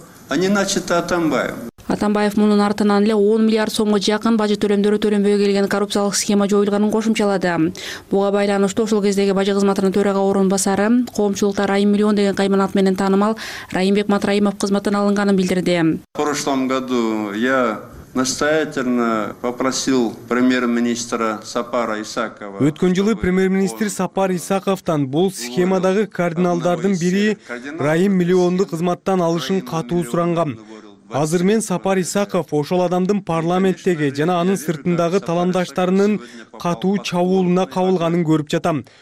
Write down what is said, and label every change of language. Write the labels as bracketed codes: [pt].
[ru] Они начаты Атамбаев. [ky] Атамбаев мунун артынан эле 10 миллиард сомго жакын бажы төлөмдөрү төлөнбөй келген коррупциялык схема жоюлганын кошумчалады. Буга байланыштуу ошол кездеги бажы кызматынын төрага орун басары, коомчулукта Райым Миллион деген кайман ат менен таанымал Райымбек Матраимов кызматтан алынганын билдирди. [ru] В прошлом году я настоятельно попросил премьер-министра Сапара Исакова. [ky] Өткөн жылы премьер-министр Сапар Исаковтан бул схемадагы кардиналдардын бири Райым Миллионду кызматтан алышын катуу суранган. Азыр мен Сапар Исаков ошол адамдын парламенттеги жана анын сыртындагы таламдаштарынын катуу чабуулуна кабылганын көрүп жатам.